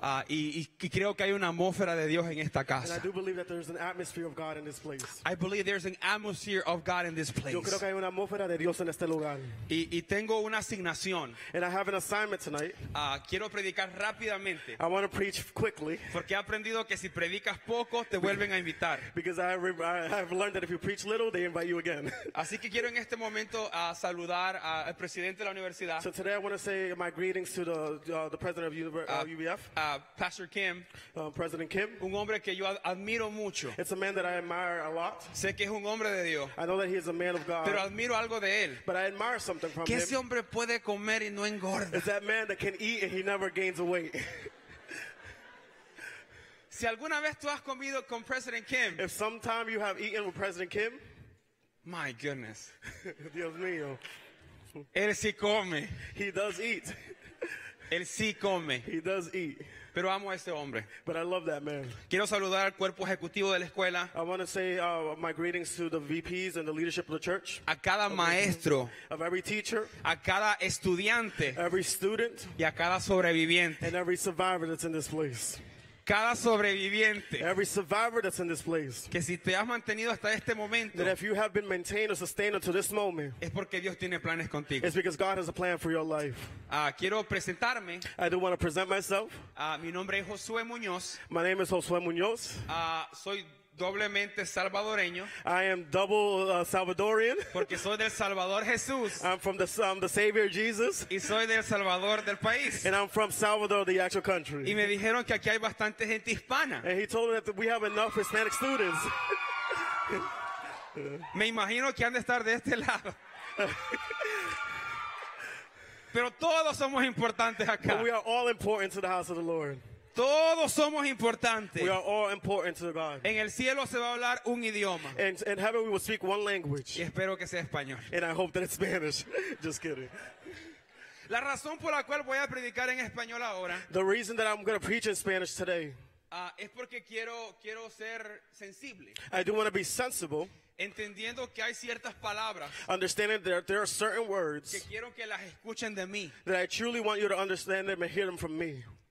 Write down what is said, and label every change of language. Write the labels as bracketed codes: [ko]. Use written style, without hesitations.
[es] Y creo que hay una atmósfera de Dios en esta casa. [en] And I do believe that there's an atmosphere of God in this place. I believe there's an atmosphere of God in this place. [es] Yo creo que hay una atmósfera de Dios en este lugar. Y tengo una asignación. [en] And I have an assignment tonight. [es] Quiero predicar rápidamente. [en] I want to preach quickly. [es] Porque he aprendido que si predicas poco te vuelven a invitar. [en] Because I've learned that if you preach little, they invite you again. [es] Así que quiero en este momento saludar al presidente de la universidad. [en] So today I want to say my greetings to the president of UVF. [es] Pastor Kim. [en] President Kim. [es] Un hombre que yo admiro mucho. [en] It's a man that I admire a lot. [es] Sé que es un hombre de Dios. [en] I know that he is a man of God. [es] Pero admiro algo de él. [en] But I admire something from [es] ¿Qué [en] him. [es] ¿Qué ese hombre puede comer y no engorda? [en] It's that man that can eat and he never gains weight. [es] Si alguna vez tú has comido con President Kim, [en] if sometime you have eaten with President Kim, my goodness, [es] Dios mío, él sí come, [en] he does eat, [es] él sí come, [en] he does eat. [es] Pero amo a ese hombre. [en] But I love that man. [es] Quiero saludar al cuerpo ejecutivo de la escuela. [en] I want to say my greetings to the VPs and the leadership of the church. [es] A cada maestro. [en] Of every teacher. [es] A cada estudiante. [en] Every student. [es] Y a cada sobreviviente. [en] And every survivor that's in this place. [es] Cada sobreviviente. [en] Every survivor that's in this place. [es] Que si te has mantenido hasta este momento. [en] That if you have been maintained or sustained until this moment. [es] Es porque Dios tiene planes contigo. [en] It's because God has a plan for your life. [es] Quiero presentarme. [en] I do want to present myself. [es] Mi nombre es Josue Muñoz. [en] My name is Josue Muñoz. [es] Soy doblemente salvadoreño. [en] I am double Salvadorian. [es] Porque soy del Salvador Jesús. [en] I'm from the Savior Jesus. [es] Y soy del Salvador del país. [en] And I'm from Salvador, the actual country. [es] Y me dijeron que aquí hay bastante gente hispana. [en] And he told me that we have enough Hispanic students. [es] Me imagino que han de estar de este lado. Pero todos somos importantes acá. [en] But we are all important to the house of the Lord. [es] Todos somos importantes. [en] We are all important to God. [es] En el cielo se va a hablar un idioma. [en] In heaven we will speak one language. [es] Y espero que sea español. [en] And I hope that it's Spanish. Just kidding. [es] La razón por la cual voy a predicar en español ahora. [en] The reason that I'm going to preach in Spanish today. [es] Es porque quiero ser sensible. [en] I do want to be sensible. [es] Entendiendo que hay ciertas palabras. [en] Understanding that there are certain words. [es] Que quiero que las escuchen de mí. [en] That I truly want you to understand them and hear them from me.